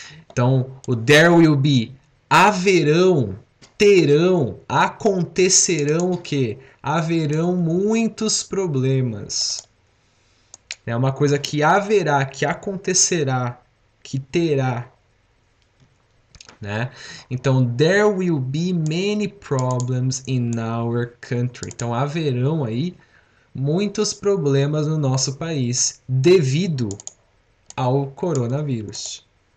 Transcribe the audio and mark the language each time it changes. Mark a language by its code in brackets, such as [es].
[pt] Então, o there will be, haverão, terão, acontecerão o quê? Haverão muitos problemas. É uma coisa que haverá, que acontecerá, que terá. né? Então, [en] there will be many problems in our country. [pt] Então, haverão aí muitos problemas no nosso país devido ao coronavírus.